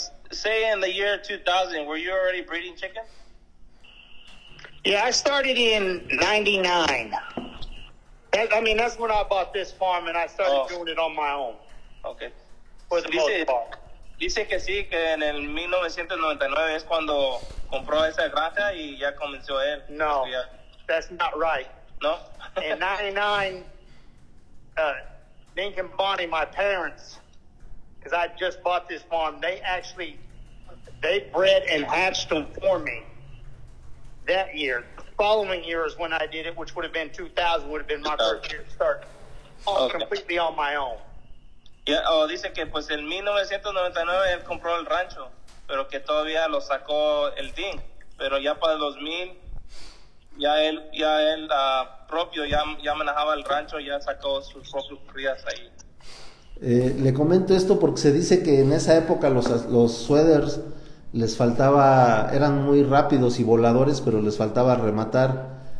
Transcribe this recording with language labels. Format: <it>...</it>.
<en>Say in the year 2000, were you already breeding chickens? Yeah, I started in 99. I mean, that's when I bought this farm and I started doing it on my own. Okay. For the most part.</en> <es>Dice que sí, que en el 1999 es cuando compró esa granja y ya comenzó él.</es> <en>No, that's not right. No. In 99, Dink and Bonnie, my parents, because I just bought this farm, they actually, they bred and hatched them for me that year. Following year is when I did it, which would have been 2000, would have been my first year to start completely on my own.</en> <es>Yeah, dice que pues en 1999 él compró el rancho, pero que todavía lo sacó el Dean, pero ya para el 2000 ya él propio ya manejaba el rancho, ya sacó sus propios crías ahí. Le comento esto porque se dice que en esa época los sweaters les faltaba, eran muy rápidos y voladores, pero les faltaba rematar.</es>